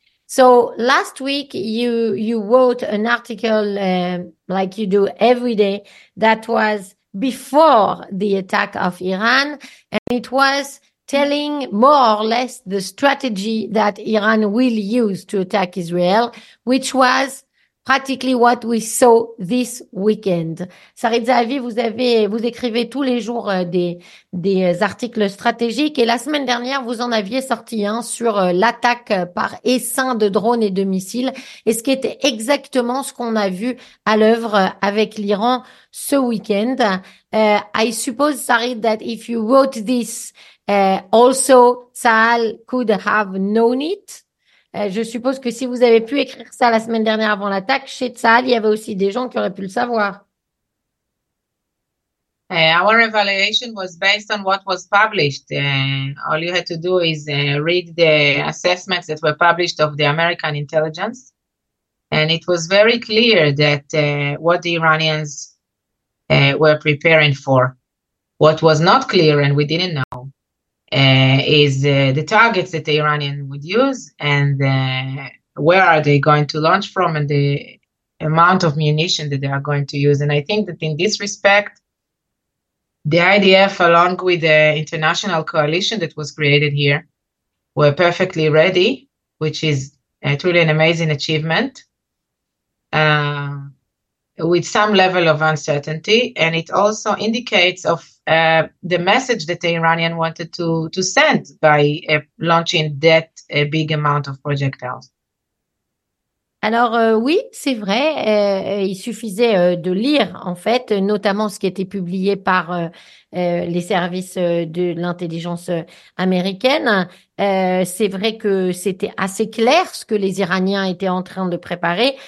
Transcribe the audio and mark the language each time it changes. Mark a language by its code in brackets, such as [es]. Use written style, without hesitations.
[en] So last week you wrote an article like you do every day that was before the attack of Iran, and it was telling more or less the strategy that Iran will use to attack Israel, which was practically what we saw this weekend. [fr] Sarit Zehavi, vous écrivez tous les jours des articles stratégiques, et la semaine dernière, vous en aviez sorti un sur l'attaque par essaim de drones et de missiles, et ce qui était exactement ce qu'on a vu à l'œuvre avec l'Iran ce weekend. [en] I suppose, Sarit, that if you wrote this, also Tsahal could have known it. [fr] Je suppose que si vous avez pu écrire ça la semaine dernière avant l'attaque, chez Tsahal, il y avait aussi des gens qui auraient pu le savoir. [en] Our evaluation was based on what was published. All you had to do is read the assessments that were published of the American intelligence. And it was very clear that what the Iranians were preparing for. What was not clear, and we didn't know, is the targets that the Iranian would use, and where are they going to launch from, and the amount of munition that they are going to use. And I think that in this respect, the IDF, along with the international coalition that was created here, were perfectly ready, which is truly an amazing achievement, with some level of uncertainty. And it also indicates of the message that the Iranian wanted to send by launching that a big amount of projectiles. [fr] Alors oui, c'est vrai, il suffisait de lire en fait, notamment ce qui était publié par les services de l'intelligence américaine. C'est vrai que c'était assez clair ce que les Iraniens étaient en train de préparer.